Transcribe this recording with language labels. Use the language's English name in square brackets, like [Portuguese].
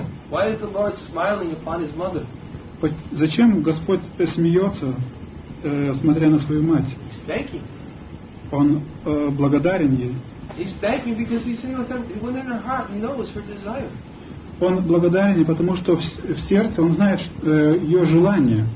[English] Why is the Lord smiling upon his mother? [Russian] Зачем Господь смеется, смотря на свою мать? [English] He's thanking. [Russian] Он благодарен ей. [English] He's thanking because he's in within her heart, he knows her desire. [Russian] Он благодарен ей, потому что в сердце он знает ее желание.